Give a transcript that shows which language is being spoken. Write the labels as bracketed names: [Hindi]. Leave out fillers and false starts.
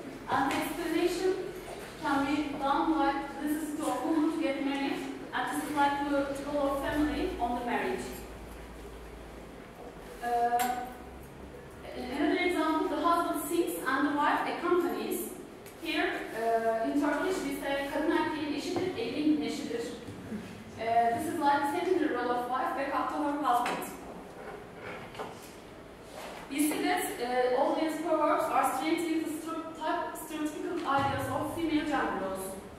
[English] And the explanation can be done like this is to a woman to get married, and this is like the role of family on the marriage. Another example, the husband sings and the wife accompanies. Here, in Turkish, we say [Turkish] kadın erkeğin eşidir, evin neşidir. [English] This is like taking the role of wife back after her husband. We see that all these proverbs are strengthening the stereotypical ideas of female gender roles.